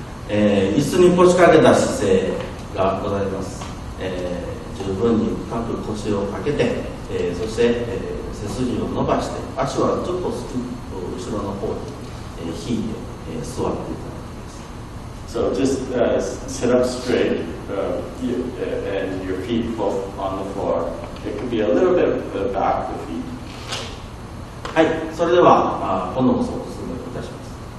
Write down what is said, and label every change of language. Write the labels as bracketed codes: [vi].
[ja] 椅子に腰掛けた姿勢がございます。十分に深く腰を掛けて、そして背筋を伸ばして、足はちょっと後ろの方に引いて座っていただきます。So [en] just sit up straight, and your feet both on the floor. It could be a little bit of the back of the feet. [ja] はい、それでは今度の相談をいたします。